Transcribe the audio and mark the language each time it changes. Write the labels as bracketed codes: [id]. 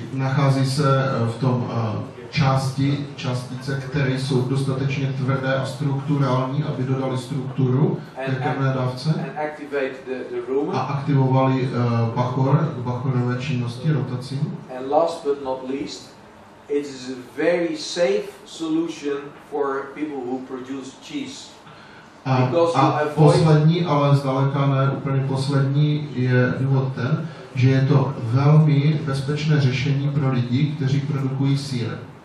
[cs] Nachází se v tom částice, které jsou dostatečně tvrdé a strukturální, aby dodali strukturu té krmné dávce. [en] And activate the rumen. [cs] A aktivovali bachorové činnosti rotací. [en] And last but not least, it is a very safe solution for people who produce cheese. [cs] Poslední, ale zdaleka ne úplně poslední, je důvod ten, že je to velmi bezpečné řešení pro lidi, kteří produkují sýr.